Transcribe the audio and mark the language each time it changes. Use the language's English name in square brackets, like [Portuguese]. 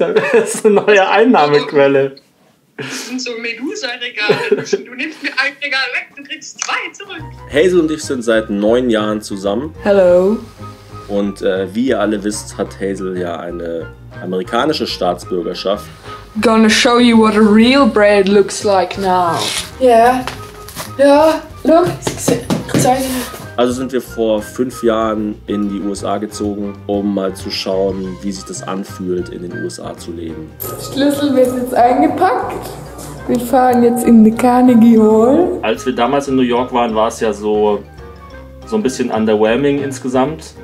[German] Dann ist eine neue Einnahmequelle. Das sind so Medusa-Regale. Du nimmst mir ein Regal weg, du kriegst zwei zurück. Hazel und ich sind seit 9 Jahren zusammen. [English] Hello. [German] Und wie ihr alle wisst, hat Hazel ja eine amerikanische Staatsbürgerschaft. [English] Gonna show you what a real bread looks like now. Yeah. Ja, look. Zeige. [German] Also sind wir vor 5 Jahren in die USA gezogen, um mal zu schauen, wie sich das anfühlt, in den USA zu leben. Schlüssel wird jetzt eingepackt. Wir fahren jetzt in die Carnegie Hall. Als wir damals in New York waren, war es ja so ein bisschen underwhelming insgesamt.